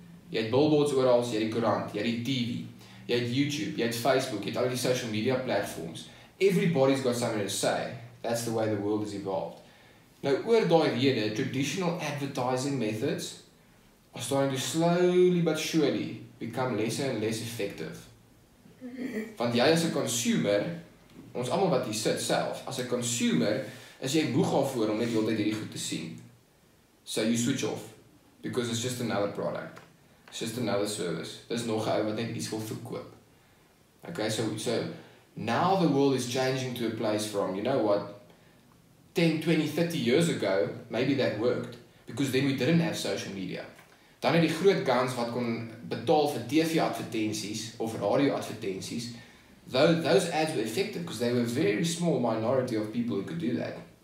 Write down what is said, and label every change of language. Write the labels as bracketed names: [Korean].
[Afrikaans] Jy het billboards oorals, jy het die krant, jy het die TV, jy het YouTube, jy het Facebook, jy het al die social media platforms. [English] Everybody's got something to say. That's the way the world has evolved. [Afrikaans] Nou, oor die rede, [English] traditional advertising methods are starting to slowly but surely become lesser and less effective. [Afrikaans] Want jy [English] as a consumer, [Afrikaans] ons allemaal wat hier sit self, as a consumer, is jy moeg al voor om net die hele tijd hierdie goed te sien. [English] So you switch off, because it's just another product. It's just another service. [Afrikaans] Dis nog een ou wat net iets wil verkoop. [English] Okay, so now the world is changing to a place from, you know what, 10, 20, 30 years ago, maybe that worked, because then we didn't have social media. [Afrikaans] Dan het die groot guns wat kon betaal vir TV-advertenties, of radio-advertenties, [English] those ads were effective, because they were a very small minority of people who could do that.